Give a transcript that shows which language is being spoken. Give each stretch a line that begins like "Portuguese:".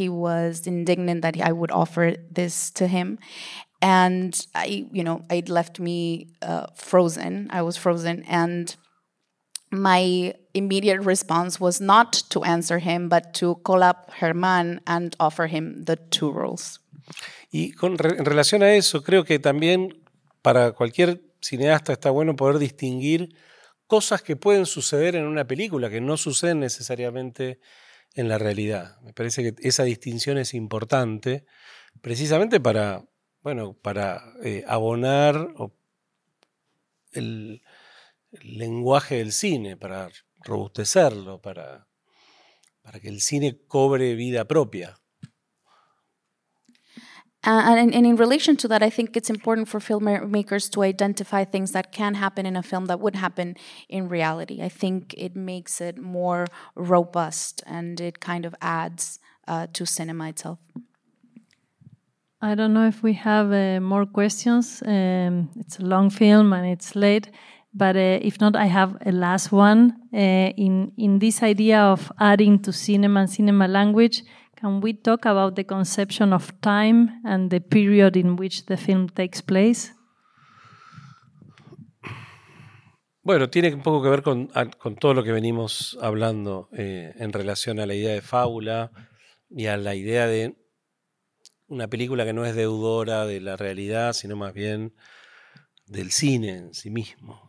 English: He was indignant that I would offer this to him. And it left me frozen. I was frozen. And my immediate response was not to answer him, but to call up Germán and offer him the two roles.
Spanish: Y en relación a eso, creo que también para cualquier cineasta está bueno poder distinguir cosas que pueden suceder en una película que no suceden necesariamente en la realidad. Me parece que esa distinción es importante precisamente para, bueno, para abonar el lenguaje del cine, para robustecerlo, para que el cine cobre vida propia.
English: And in relation to that, I think it's important for filmmakers to identify things that can happen in a film that would happen in reality. I think it makes it more robust and it kind of adds to cinema itself. I don't know if we have more questions. It's a long film and it's late. But if not, I have a last one. In this idea of adding to cinema and cinema language, can we talk about the conception of time and the period in which the film takes place?
Spanish: Bueno, tiene un poco que ver con todo lo que venimos hablando en relación a la idea de fábula y a la idea de una película que no es deudora de la realidad, sino más bien del cine en sí mismo.